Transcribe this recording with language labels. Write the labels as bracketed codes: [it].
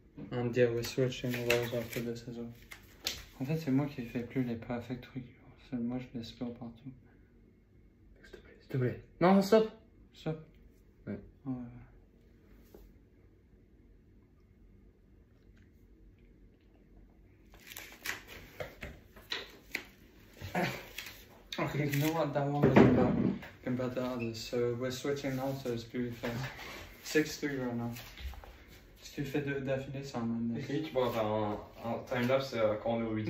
[en] And yeah, we're switching roles after this as well. [fr] En fait, c'est moi qui fais plus les perfect trucs. C'est moi, je les score partout. S'il te plaît, s'il te plaît. Non, stop! Stop. Ouais. Ouais. [en] Okay, you know what that one was about compared to others. So we're switching now, so it's pretty fast. [fr] 6-3 [en] right now. [fr] Si tu fais deux d'affilée, ça m'amène. Est-ce que tu pourras faire un timelapse quand on est au 8